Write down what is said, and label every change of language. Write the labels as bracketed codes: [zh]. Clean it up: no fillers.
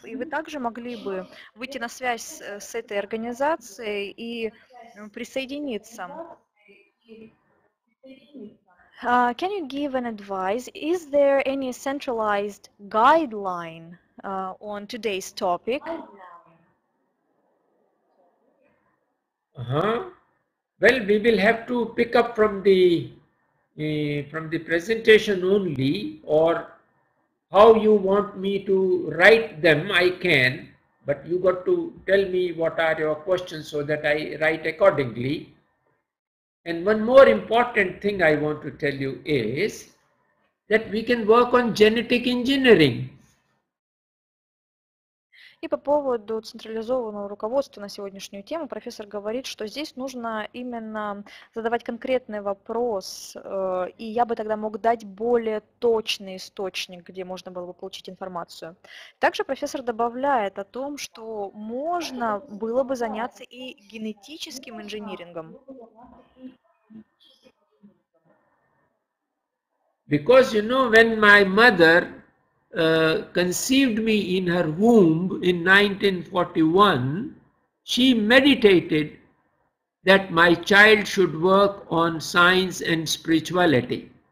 [ru] И вы также могли бы выйти на связь с этой организацией и присоединиться. [en] Can you give an advice? Is there any centralized guideline on today's topic? Well, we will have to pick up from the presentation only, or how you want me to write them, I can, but you got to tell me what are your questions so that I write accordingly. And one more important thing I want to tell you is that we can work on genetic engineering. [ru] И по поводу централизованного руководства на сегодняшнюю тему, профессор говорит, что здесь нужно именно задавать конкретный вопрос, и я бы тогда мог дать более точный источник, где можно было бы получить информацию. Также профессор добавляет о том, что можно было бы заняться и генетическим инжинирингом. [en] Because, you know, when my mother conceived me in her womb in 1941, she meditated that my child should work on science and spirituality.